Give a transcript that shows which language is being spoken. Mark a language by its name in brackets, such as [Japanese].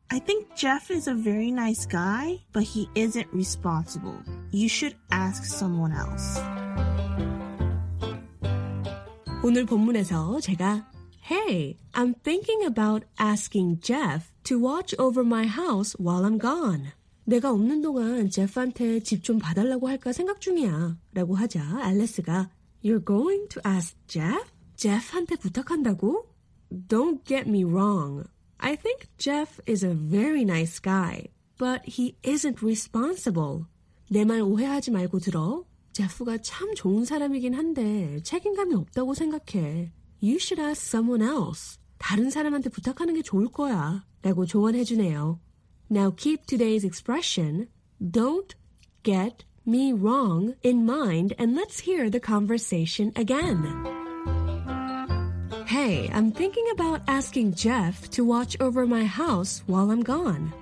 [English] I think Jeff is a very nice guy, but he isn't responsible. You should ask someone else. [Korean] 오늘 본문에서 제가 [English] Hey, I'm thinking about asking Jeff to watch over my house while I'm gone. [Korean] 내가 없는 동안 제프한테 집 좀 봐달라고 할까 생각 중이야. 라고 하자 앨리스가 [English] You're going to ask Jeff? [Korean] 제프한테 부탁한다고? [English] Don't get me wrong. I think Jeff is a very nice guy, but he isn't responsible. [Korean] 내 말 오해하지 말고 들어. 제프가 참 좋은 사람이긴 한데 책임감이 없다고 생각해. [English] You should ask someone else. [Korean] 다른 사람한테 부탁하는 게 좋을 거야. 라고 조언해주네요. [English] Now keep today's expression, don't get me wrong, in mind, and let's hear the conversation again. Hey, I'm thinking about asking Jeff to watch over my house while I'm gone.